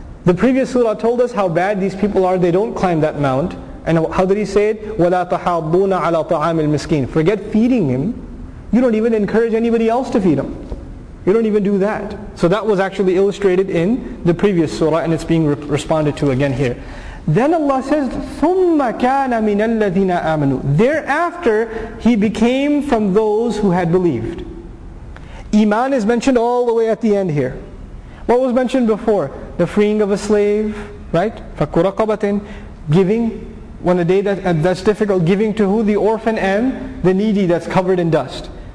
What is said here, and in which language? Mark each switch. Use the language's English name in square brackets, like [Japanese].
[English] The previous surah told us how bad these people are, they don't climb that mount. And how did he say it? [Arabic] وَلَا تَحَاضُّونَ عَلَىٰ طَعَامِ الْمِسْكِينَ. [English] Forget feeding him. You don't even encourage anybody else to feed him. You don't even do that. So that was actually illustrated in the previous surah, and it's being responded to again here. Then Allah says, [Arabic] ثُمَّ كَانَ مِنَ الَّذِينَ آمَنُوا. [English] Thereafter, he became from those who had believed. Iman is mentioned all the way at the end here. What was mentioned before? The freeing of a slave, right? [Arabic] فَكُّ رَقَبَةٍ. [English] Giving, when a day that's difficult, giving to who? The orphan and the needy that's covered in dust.